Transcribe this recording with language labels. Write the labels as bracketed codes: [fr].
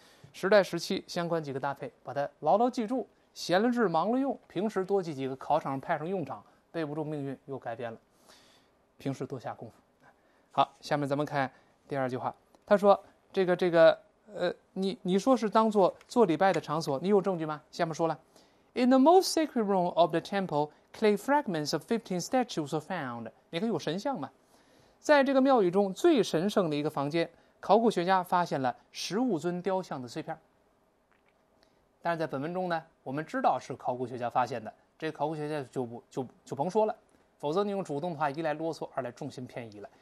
[zh] 时代时期相关几个搭配，把它牢牢记住，闲了置，忙了用，平时多记几个，考场派上用场。背不住，命运又改变了。平时多下功夫。好，下面咱们看第二句话。他说：“你说是当做做礼拜的场所，你有证据吗？” 下面说了：“ [en] In the most sacred room of the temple, clay fragments of 15 statues were found。” [zh] 你看有神像吗？在这个庙宇中最神圣的一个房间，考古学家发现了15尊雕像的碎片。但是在本文中呢，我们知道是考古学家发现的。这个考古学家就甭说了，否则你用主动的话，一来啰嗦，二来重心偏移了。